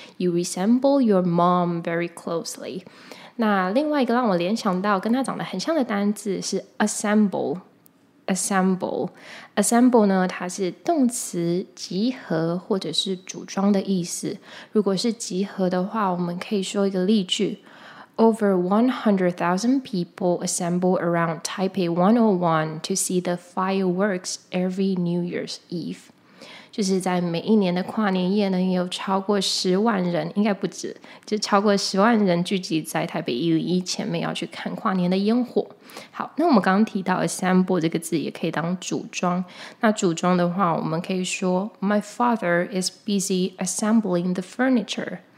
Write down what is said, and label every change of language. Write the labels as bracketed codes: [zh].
[en] You resemble your mom very closely. [zh] 那另外一个让我联想到跟她长得很像的单字是 assemble。 Assemble, assemble 呢，它是动词集合或者是组装的意思。如果是集合的话，我们可以说一个例句。 [en] Over 100,000 people assemble around Taipei 101 to see the fireworks every New Year's Eve. [zh] 就是在每一年的跨年夜呢，有超过十万人，应该不止，就超过十万人聚集在台北101前面要去看跨年的烟火。好，那我们刚刚提到 assemble 这个字也可以当组装。那组装的话，我们可以说 [en] My father is busy assembling the furniture.